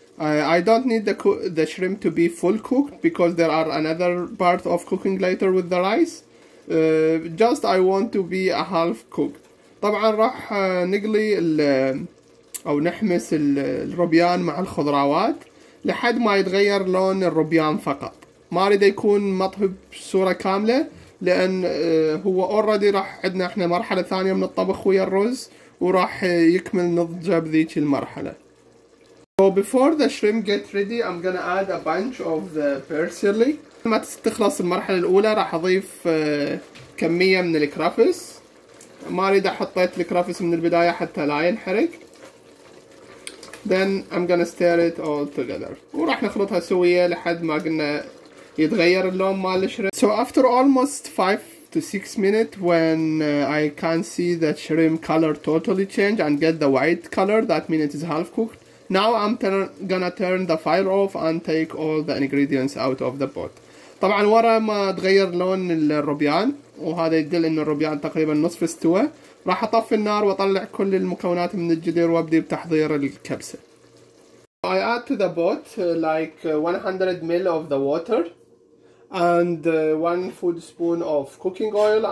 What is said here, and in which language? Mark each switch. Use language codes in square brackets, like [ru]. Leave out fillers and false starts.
[en] I don't need the shrimp to be full cooked because there are another part of cooking later with the rice. Just I want to be a half cooked. [ar] طبعا راح نقلي او نحمس الروبيان مع الخضروات لحد ما يتغير لون الروبيان فقط. ما اريد يكون مطهي بصورة كاملة لان هو اوريدي راح عندنا احنا مرحلة ثانية من الطبخ ويا الرز وراح يكمل نضجه بذيك المرحلة. [en] So before the shrimp get ready I'm gonna add a bunch of the parsley. [ar] ما تخلص المرحلة الأولى راح أضيف كمية من الكرافس. ما أريد أحطيت الكرافس من البداية حتى لا ينحرق. [en] Then I'm gonna stir it all together. [ar] وراح نخلطها سوية لحد ما قلنا يتغير اللون مال الشريمب. [en] So after almost 5 to 6 minutes when I can see the shrimp color totally change and get the white color, that means it is half cooked. Now I'm gonna turn the fire off and take all the ingredients out of the pot. [ar] طبعا ورا ما تغير لون الروبيان وهذا يدل ان الروبيان تقريبا نصف استوى، راح اطفي النار واطلع كل المكونات من الجدير وابدي بتحضير الكبسة. [en] I add to the pot like 100 ml of the water and 1 food spoon of cooking oil.